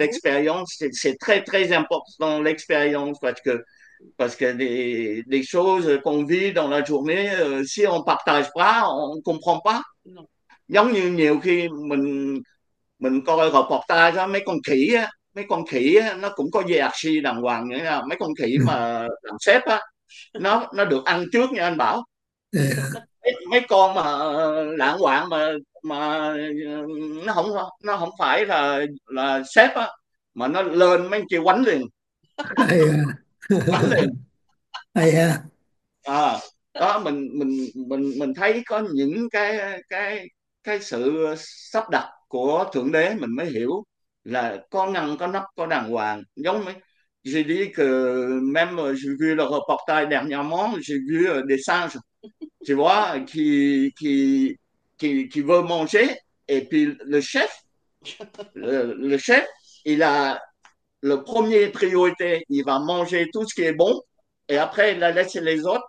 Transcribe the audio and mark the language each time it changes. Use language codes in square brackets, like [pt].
[fr] l'expérience, c'est très très important, l'expérience, parce que des choses qu'on vit dans la journée, si on partage pas, on comprend pas. [vi] Giống như nhiều khi mình coi reportage đó, mấy con khỉ á, nó cũng có hierarchy đàng hoàng nữa nha. Mấy con khỉ mà làm sếp á, nó được ăn trước nha anh Bảo. Mấy con mà lạng hoạng mà nó không phải là sếp á, mà nó lên mấy kia quánh liền quánh liền à. Đó mình thấy có những cái sự sắp đặt của Thượng Đế mình mới hiểu là có ngăn có nắp có đàng hoàng. Giống mấy [fr] j'ai dit que même j'ai vu le reportage dernièrement, j'ai vu des singes, tu vois, qui veut manger. Et puis le chef, il a le premier priorité, il va manger tout ce qui est bon, et après il a laissé les autres.